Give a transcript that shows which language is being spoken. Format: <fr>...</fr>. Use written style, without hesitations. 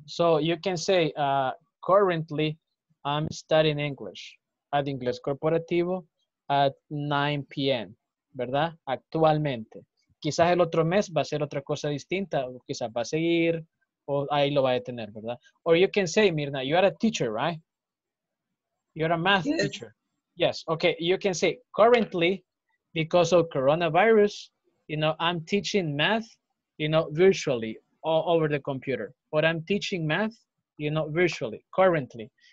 <en>So you can say, currently I'm studying English at Inglés Corporativo. At 9 p.m.,</en> <es>¿verdad? Actualmente. Quizás el otro mes va a ser otra cosa distinta, o quizás va a seguir, o ahí lo va a detener, ¿verdad?</es> <en>Or you can say, Mirna, you are a teacher, right? You are a math yes. teacher. Yes, okay, you can say, currently, because of coronavirus, you know, I'm teaching math, you know, virtually, all over the computer. But I'm teaching math, you know, virtually, currently.</en>